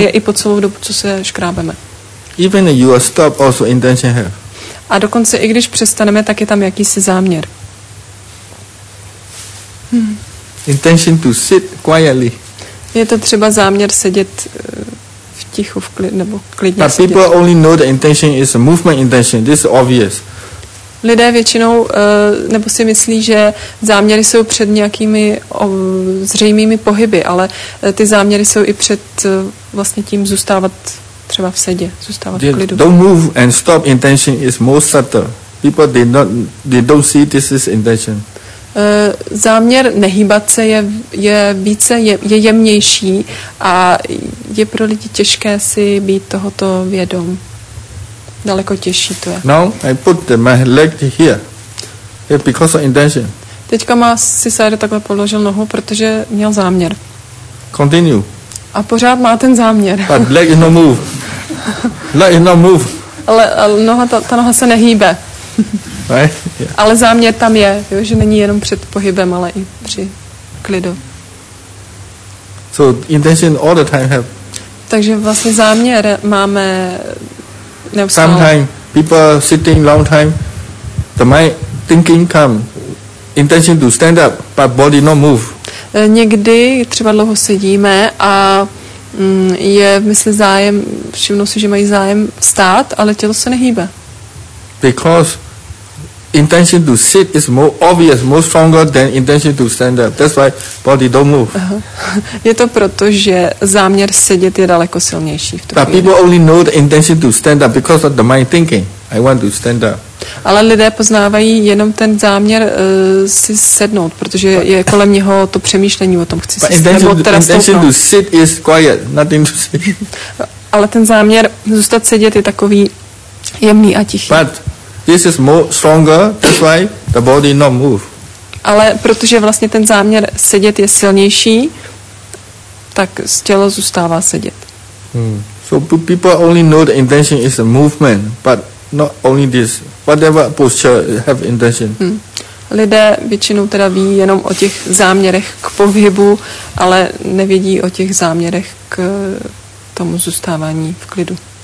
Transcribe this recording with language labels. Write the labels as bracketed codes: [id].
[cs] je i po celou dobu, co se škrábeme. [en] Even you are stopped, also intention here. [cs] A dokonce i když přestaneme, tak je tam jakýsi záměr. [en] Intention to sit quietly. [cs] Je to třeba záměr sedět v tichu, v klid, nebo klidně sedět. [en] But people only know the intention is a movement intention. This is obvious. [cs] Lidé většinou, nebo si myslí, že záměry jsou před nějakými zřejmými pohyby, ale ty záměry jsou i před vlastně tím zůstávat třeba v sedě, zůstávat [en] they [cs] v klidu. [en] Don't move and stop intention is most subtle. People they don't see this is intention. [cs] Záměr nehýbat se je jemnější a je pro lidi těžké si být tohoto vědom. Daleko těžší to je. [en] Now I put my leg here because of intention. [cs] Teďka má si Sajda takhle položil nohu, protože měl záměr. [en] Continue. [cs] A pořád má ten záměr. [en] But leg is not move. Leg is not move. [cs] Ale ta noha se nehýbe. [en] Right? Yeah. [cs] Ale záměr tam je, jo? Že není jenom před pohybem, ale i při klidu. [en] So intention all the time have. [cs] Takže vlastně záměr máme neustále. [en] Sometimes people sitting long time, the mind thinking come, intention to stand up, but body not move. [cs] Někdy třeba dlouho sedíme a je v mysli zájem, všimnou si, že mají zájem stát, ale tělo se nehýbe. [en] Because intention to sit is more obvious, more stronger than intention to stand up. That's why body don't move. [cs] Je to proto, že záměr sedět je daleko silnější v tu chvíli. [en] People only know the intention to stand up because of the mind thinking. I want to stand up. [cs] Ale lidé poznávají jenom ten záměr si sednout, protože je kolem něho to přemýšlení o tom, chci si sednout, teda [en] intention to sit is quiet, nothing to say. [cs] Ale ten záměr zůstat sedět je takový jemný a tichý. [en] But this is more stronger, that's why the body not move. [cs] Ale protože vlastně ten záměr sedět je silnější, tak tělo zůstává sedět. [en] So people only know the intention is a movement, but not only this. Whatever posture have intention. [cs] Lidé většinou teda ví jenom o těch záměrech k pohybu, ale nevědí o těch záměrech k tomu zůstávání v klidu.